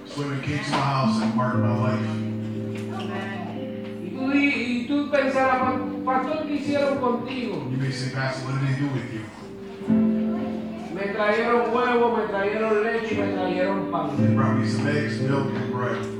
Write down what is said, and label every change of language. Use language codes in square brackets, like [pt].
[en] Women came to my house and marked my life. [es] Y tú pensarás, pastor, ¿qué hicieron contigo? [en] You may say, pastor, what did they do with you? [es] Me trajeron huevo, me trajeron leche y me trajeron pan. [en] They brought me some eggs, milk, and bread.